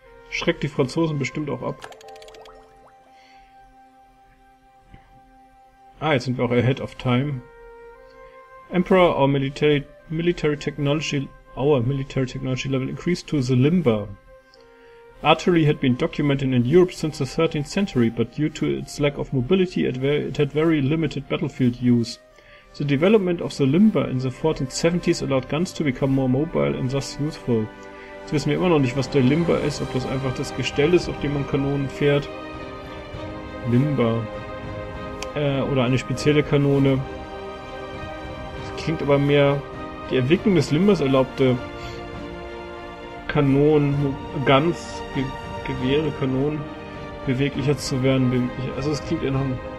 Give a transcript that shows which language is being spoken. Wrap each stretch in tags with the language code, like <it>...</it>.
<de>Schreckt die Franzosen bestimmt auch ab. Ah, jetzt sind wir auch</de> <en>ahead of time. Emperor, our military technology, level increased to the Limber. Artillery had been documented in Europe since the 13th century, but due to its lack of mobility, it had very limited battlefield use. The development of the Limber in the 1470s allowed guns to become more mobile and thus useful.</en> <de>Jetzt wissen wir immer noch nicht, was der Limber ist, ob das einfach das Gestell ist, auf dem man Kanonen fährt. Limber. Oder eine spezielle Kanone. Das klingt aber mehr... Die Entwicklung des Limbers erlaubte Kanonen, Guns, Gewehre, Kanonen beweglicher zu werden. Also es klingt enorm.</de>